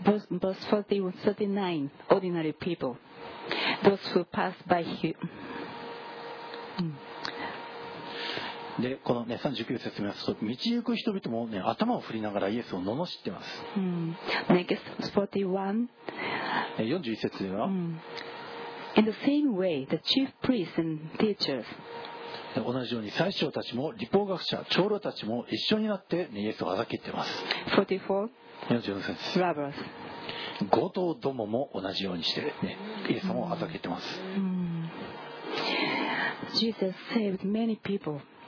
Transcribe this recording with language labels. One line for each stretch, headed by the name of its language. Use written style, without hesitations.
English: verse 39 ordinary people those who pass by him、
Japanese: でこの、ね、39節目ですと道行く人々も、ね、頭を振りながらイエスを罵っています、
English: next
Japanese: 41 41節では、
English: In the same way, the chief priests and teachers.
Japanese: 同じように祭司長たちも律法学者、長老たちも一緒になって、ね、イエスをあざけています。 44節。
English: Robbers.
Japanese: 強盗どもも同じようにして、ね、イエスをあざけています。
English: Jesus saved many people.